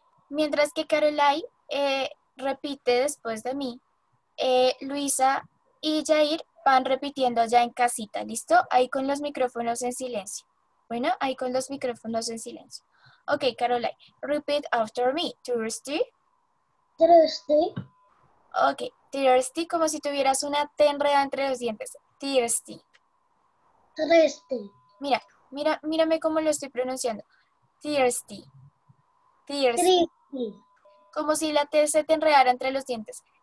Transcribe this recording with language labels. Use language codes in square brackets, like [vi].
[es] Mientras que Caroline repite después de mí, Luisa y Jair van repitiendo ya en casita. ¿Listo? Ahí con los micrófonos en silencio. Bueno, ahí con los micrófonos en silencio. [en] Okay, Caroline, repeat after me. Thirsty. Thirsty. [es] Okay, thirsty, como si tuvieras una T enredada entre los dientes. [en] Thirsty. Thirsty. [es] Mira, mira, mírame cómo lo estoy pronunciando. [en] Thirsty. Thirsty. Thirsty. [es] Como si la T se te enredara entre los dientes.